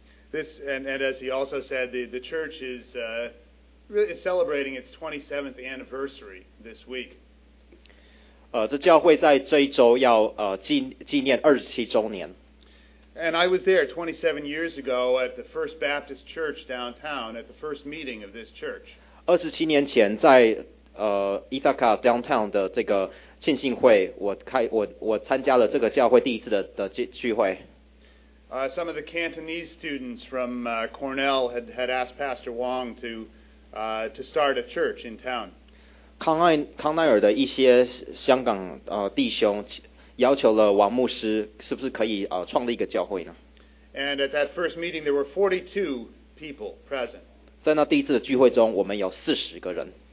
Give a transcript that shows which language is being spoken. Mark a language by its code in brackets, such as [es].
[en] This and as he also said, the church is really celebrating its 27th anniversary this week. [zh] 这教会在这一周要纪念27周年。 [en] And I was there 27 years ago at the First Baptist Church downtown at the first meeting of this church. [zh] 27年前在Ithaca downtown 的这个浸信会，我参加了这个教会第一次的聚会。 [en] Some of the Cantonese students from Cornell had asked Pastor Wong to start a church in town. [zh] 康奈尔的一些香港弟兄要求了王牧师是不是可以创立一个教会呢？ [en] And at that first meeting, there were 42 people present. [zh] 在那第一次的聚会中，我们有40个人。